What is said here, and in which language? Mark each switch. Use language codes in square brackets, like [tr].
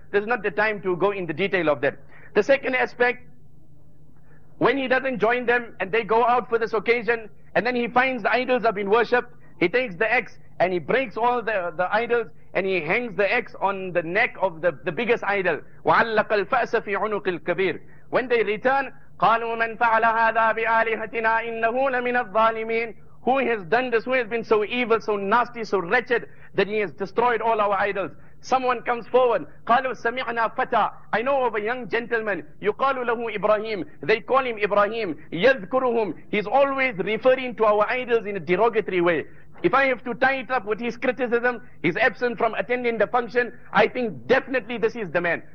[en] This is not the time to go in the detail of that. The second aspect, when he doesn't join them and they go out for this occasion, and then he finds the idols have been worshipped, he takes the axe and he breaks all the idols and he hangs the axe on the neck of the biggest idol. [ar] وَعَلَّقَ الْفَأْسَ فِي عُنُقِ الْكَبِيرِ. [en] When they return, [ar] قَالُوا مَنْ فَعَلَ هَذَا بِآلِهَتِنَا إِنَّهُ لَمِنَ الظَّالِمِينَ. [en] Who has done this? Who has been so evil, so nasty, so wretched that he has destroyed all our idols? Someone comes forward. [ar] قَالُوا سَمِعْنَا فَتَى. [en] I know of a young gentleman. [ar] يُقَالُ لَهُ إِبْرَاهِيمُ. [en] They call him Ibrahim. [ar] يَذْكُرُهُمْ. [en] He's always referring to our idols in a derogatory way. If I have to tie it up with his criticism, his absence from attending the function, I think definitely this is the man.